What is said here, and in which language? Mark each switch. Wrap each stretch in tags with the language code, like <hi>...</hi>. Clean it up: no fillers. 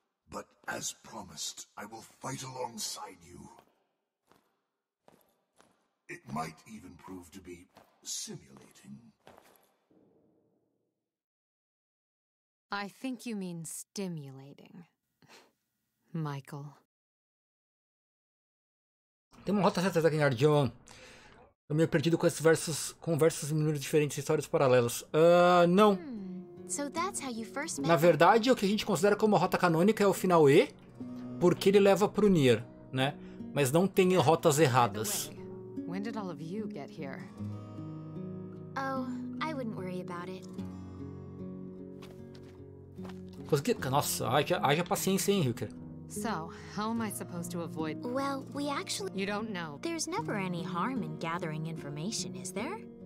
<en>But as promised, I will fight alongside you. It might even prove to be simulating. I think you mean stimulating, Michael.</en> <pt>Tem uma rota certa aqui em Ardion. Tô meio perdido com esses versos, conversas em números diferentes, histórias paralelas. Não.</pt> <en>So that's how you first met.</en> <pt>Na verdade, o que a gente considera como rota canônica é o final E, porque ele leva pro Nier, né? Mas não tem rotas erradas.</pt> <en>When did all of you get here? Oh, I wouldn't worry about it.</en> <pt>Consegui... Nossa, haja paciência, hein, Hilker.</pt> <en>So, how am I supposed to avoid... Well, we actually... You don't know. There's never any harm in gathering information, is there?</en>